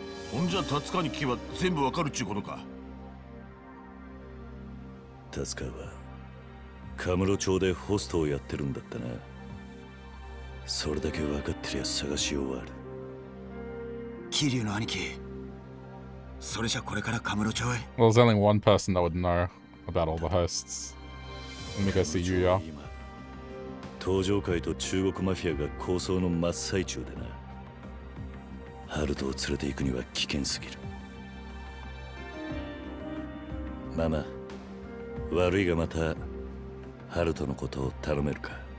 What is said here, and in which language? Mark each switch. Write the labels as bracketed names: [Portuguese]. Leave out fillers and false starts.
[Japanese] ほんじゃ達川に聞けば全部わかるっちゅうことか。達川はカムロ町でホストをやってるんだったな。それだけ分かってりゃ探しようある。キリュウの兄貴、それじゃこれからカムロ町へ。 [English] Well, there's only one person that would know about all the hosts. Let me go see ユーヤ。 [Japanese] 東上界と中国マフィアが抗争の真っ最中でな。ハルトを連れて行くには危険すぎる。ママ、悪いがまたハルトのことを頼めるか。